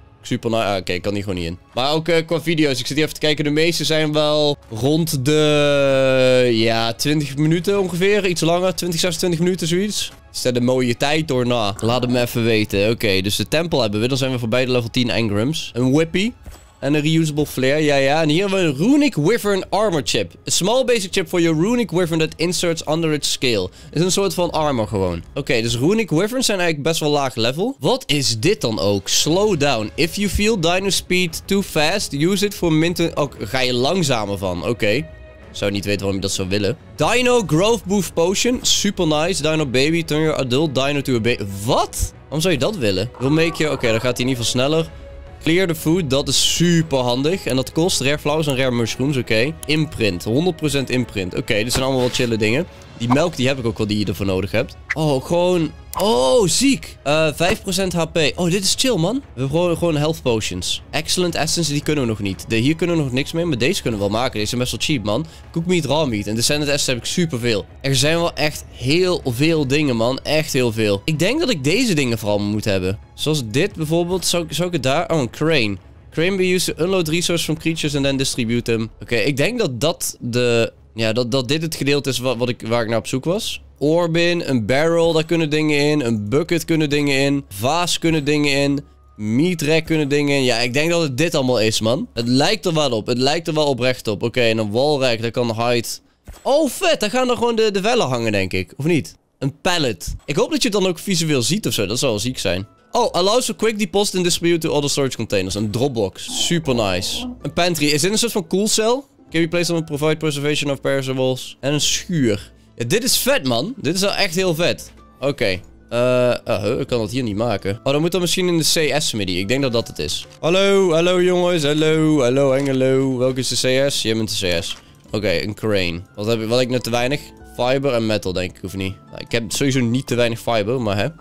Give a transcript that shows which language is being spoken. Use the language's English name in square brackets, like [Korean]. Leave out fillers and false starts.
[Dutch] Super, nou, oké, ik kan hier gewoon niet in. Maar ook qua video's, ik zit hier even te kijken. De meeste zijn wel rond de, ja, 20 minuten ongeveer. Iets langer, 20, 26 minuten, zoiets. Is dat een mooie tijd, hoor, nou? Laat het me even weten. Oké, dus de tempel hebben we. Dan zijn we voorbij de level 10 engrams. Een whippy en een reusable flare, ja. En hier hebben we een runic wyvern armor chip. [English] A small basic chip for your runic wyvern that inserts under its scale. [Dutch] Het is een soort van armor gewoon. Oké, dus runic wyverns zijn eigenlijk best wel laag level. Wat is dit dan ook? [English] Slow down. If you feel dino speed too fast, use it for minten... [Dutch] Oh, ga je langzamer van? Oké. Zou niet weten waarom je dat zou willen. [English] Dino growth boost potion. Super nice. Dino baby, turn your adult dino to a baby. [Dutch] Wat? Waarom zou je dat willen? [English] We'll make you... [Dutch] Oké, dan gaat hij in ieder geval sneller. [English] Clear the food, [Dutch] dat is super handig. En dat kost rare flowers en rare mushrooms, oké. Imprint, 100% imprint. Oké, dit zijn allemaal wel chille dingen. Die melk, die heb ik ook wel, die je ervoor nodig hebt. Oh, gewoon... Oh, ziek! 5% HP. Oh, dit is chill, man. We hebben gewoon health potions. Excellent essence, die kunnen we nog niet. Hier kunnen we nog niks mee, maar deze kunnen we wel maken. Deze zijn best wel cheap, man. Cook meat, raw meat. En descendant essence heb ik superveel. Er zijn wel echt heel veel dingen, man. Echt heel veel. Ik denk dat ik deze dingen vooral moet hebben. Zoals dit bijvoorbeeld. Zou ik het daar... Oh, een crane. [English] Crane, we use to unload resources from creatures and then distribute them. [Dutch] Oké, ik denk dat dat de... Ja, dat dit het gedeelte is waar ik naar op zoek was. Orbin, een barrel, daar kunnen dingen in. Een bucket kunnen dingen in. Vaas kunnen dingen in. Meat rack kunnen dingen in. Ja, ik denk dat het dit allemaal is, man. Het lijkt er wel op. Het lijkt er wel oprecht op. Oké, en een wall rack, daar kan hide. Oh, vet. Daar gaan er gewoon de vellen hangen, denk ik. Of niet? Een pallet. Ik hoop dat je het dan ook visueel ziet of zo. Dat zou wel ziek zijn. Oh, [English] allows for quick deposit and distribute to other storage containers. [Dutch] Een dropbox. Super nice. Een pantry. Is dit een soort van cool cell? [English] Can we place on and provide preservation of perishables? [Dutch] En een schuur. Ja, dit is vet, man. Dit is wel echt heel vet. Oké. Ik kan dat hier niet maken. Oh, dan moet dat misschien in de CS-smiddy. Ik denk dat dat het is. Hallo jongens. Hallo. Welke is de CS? Jij bent de CS. Oké, een crane. Wat heb ik net te weinig? Fiber en metal, denk ik, of niet? Ik heb sowieso niet te weinig fiber, maar hè.